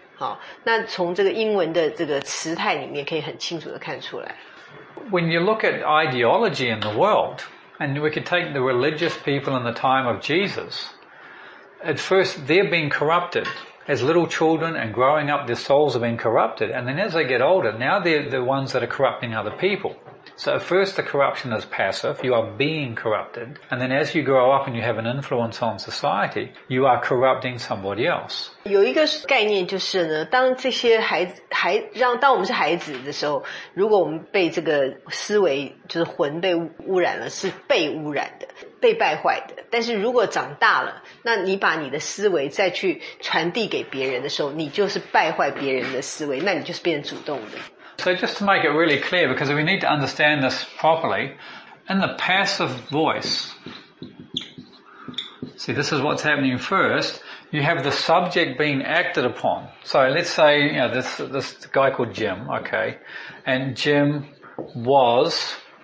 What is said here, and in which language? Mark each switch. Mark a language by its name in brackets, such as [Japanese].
[Chinese] 好，那从这个英文的这个词态里面，可以很清楚的看出来。 [English] When you look at ideology in the world, and we could take the religious people in the time of Jesus, at first they're being corrupted. As little children and growing up, their souls have been corrupted. And then as they get older, now they're the ones that are corrupting other people. So at first the corruption is passive, you are being corrupted. And then as you grow up and you have an influence on society, you are corrupting somebody else. [Chinese] 有一个概念就是呢，当这些当我们是孩子的时候，如果我们被这个思维，就是魂被污染了，是被污染的。被败坏的，但是如果长大了，那你把你的思维再去传递给别人的时候，你就是败坏别人的思维，那你就是变主动的。 [English] So just to make it really clear, because we need to understand this properly, in the passive voice, see this is what's happening first. You have the subject being acted upon. So let's say you know this guy called Jim, okay, and Jim was.